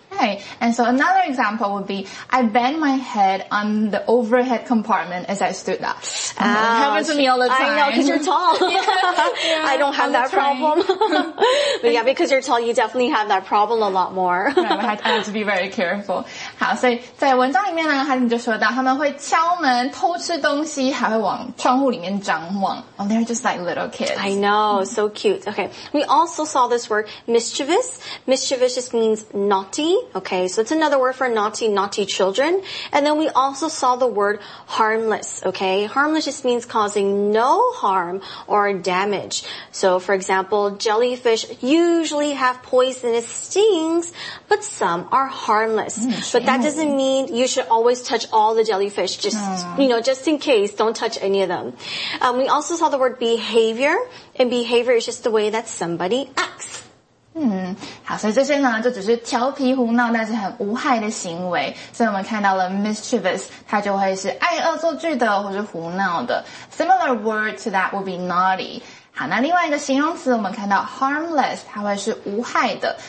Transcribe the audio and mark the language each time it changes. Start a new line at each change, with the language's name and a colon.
English: Right. And so another example would be, I banged my head on the overhead compartment as I stood up. Ouch. It happens to me all the time. I know, because you're tall. Yeah. Yeah, I don't have that problem. But yeah, because you're tall, you definitely have that problem a lot more. Right, I have to be very careful.
Chinese: 好，所以在文章里面呢，他们就说到他们会敲门、偷吃东西，还会往窗户里面张望。
English: Oh, they're just like little kids. I know, so cute. Okay, we also saw this word, mischievous. Mischievous just means naughty. Okay, so it's another word for naughty, naughty children. And then we also saw the word harmless, okay? Harmless just means causing no harm or damage. So, for example, jellyfish usually have poisonous stings, but some are harmless. But that doesn't mean you should always touch all the jellyfish, just in case, don't touch any of them. We also saw the word behavior, and behavior is just the way that somebody acts.
Chinese: 嗯，好，所以这些呢，就只是调皮胡闹，但是很无害的行为。所以我们看到了 mischievous， 它就会是爱恶作剧的或是胡闹的。
English: Similar word to that would be naughty。
Chinese: 好，那另外一个形容词，我们看到 harmless， 它会是无害的。